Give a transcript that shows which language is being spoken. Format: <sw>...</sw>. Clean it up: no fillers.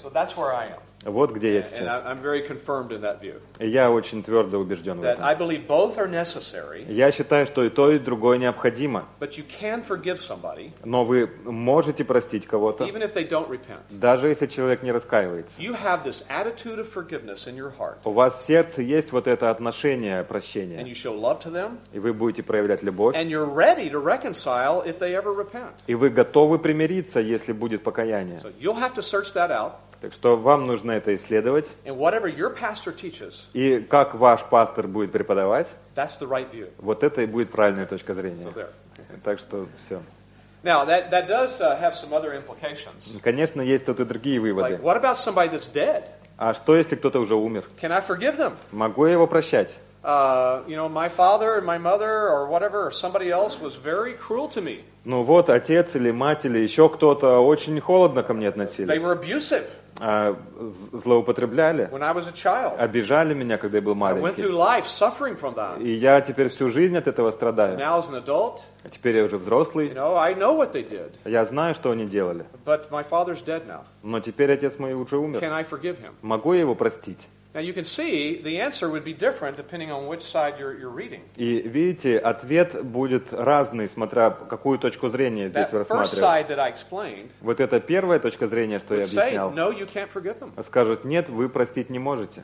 <en>So that's where I am.</en> <ru>Вот где я сейчас.</ru> <en>And I'm very confirmed in that view.</en> <ru>Я очень твердо убежден в этом.</ru> <en>I believe both are necessary,</en> <ru>я считаю, что и то, и другое необходимо.</ru> <en>But you can forgive somebody,</en> <ru>но вы можете простить кого-то,</ru> <en>even if they don't repent.</en> <ru>Даже если человек не раскаивается.</ru> <en>You have this attitude of forgiveness in your heart,</en> <ru>у вас в сердце есть вот это отношение прощения.</ru> <en>And you show love to them,</en> <ru>и вы будете проявлять любовь.</ru> <en>And you're ready to reconcile if they ever repent.</en> <ru>И вы готовы примириться, если будет покаяние.</ru> <en>So you'll have to search that out.</en> <ru>Так что вам нужно это исследовать.</ru> <en>And whatever your pastor teaches,</en> <ru>и как ваш пастор будет преподавать,</ru> <en>that's the right view.</en> <ru>Вот это и будет правильная точка зрения.</ru> <en>So there.</en> <ru>Так что все.</ru> <en>Now, that does have some other implications.</en> <ru>Конечно, есть тут и другие выводы.</ru> <en>Like, what about somebody that's dead?</en> <ru>А что, если кто-то уже умер?</ru> <en>Can I forgive them?</en> <ru>Могу я его прощать?</ru> <en>You know, my father and my mother or whatever, or somebody else was very cruel to me.</en> <ru>Ну вот, отец или мать, или еще кто-то очень холодно ко мне относились.</ru> <en>They were abusive.</en> <ru>Злоупотребляли.</ru> <en>When I was a child,</en> <ru>обижали меня, когда я был маленький.</ru> <en>I went through life suffering from that.</en> <ru>И я теперь всю жизнь от этого страдаю.</ru> <en>Now as an adult,</en> <ru>а теперь я уже взрослый.</ru> <en>You know, I know what they did.</en> <ru>Я знаю, что они делали.</ru> <en>But my father's dead now.</en> <ru>Но теперь отец мой уже умер.</ru> <en>Can I forgive him?</en> <ru>Могу я его простить?</ru> <en>Now you can see the answer would be different depending on which side you're reading.</en> <ru>И видите, ответ будет разный, смотря какую точку зрения здесь вы рассматриваете.</ru> <en>That first side that I explained.</en> <ru>Вот это первая точка зрения, что я объяснял.</ru> <en>Would say, no, you can't forgive them.</en> <ru>Скажут, нет, вы простить не можете.</ru>